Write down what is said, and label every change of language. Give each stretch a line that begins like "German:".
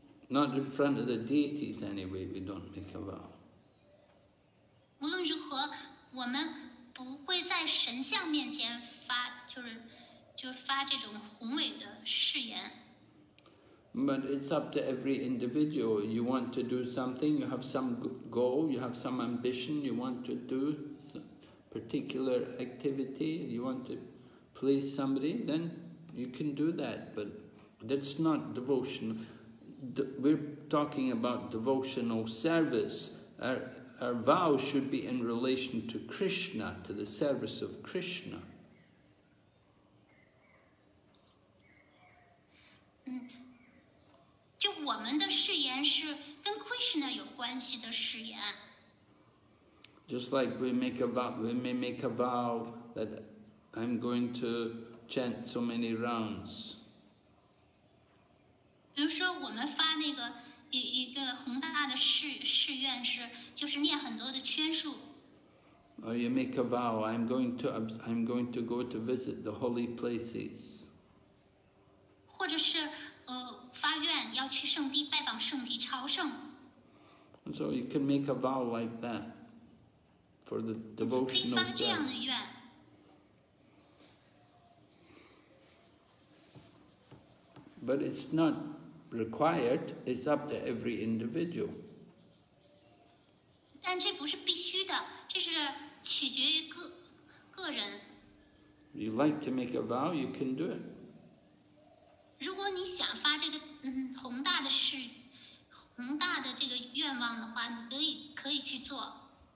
English: Not in front of the deities, anyway, we don't make a vow.
Chinese: 无论如何，我们不会在神像面前发，就是发这种宏伟的誓言。
English: But it's up to every individual. You want to do something, you have some goal, you have some ambition, you want to do a particular activity, you want to please somebody, then you can do that. But that's not devotion. We're talking about devotional service. Our vow should be in relation to Krishna, to the service of Krishna.
Chinese: 就我们的誓言是跟 Krishna 有关系的誓言。
English: Just like we make a vow, we may make a vow that I'm going to chant so many rounds.
Chinese: 比如说我们发那个一个宏大的誓愿是，就是念很多的圈数。
English: Or you make a vow, I'm going to go to visit the holy places.
Chinese: 或者是发愿要去圣地拜访圣地朝圣。
English: So you can make a vow like that for the devotion of God.
Chinese: 可以发这样的愿。
English: But it's not required, it's up to every individual.
Chinese: 但这不是必须的，这是取决于个人。
English: You like to make a vow, you can do it.
Chinese: 如果你想发这个宏大的誓，宏大的这个愿望的话，你可以去做。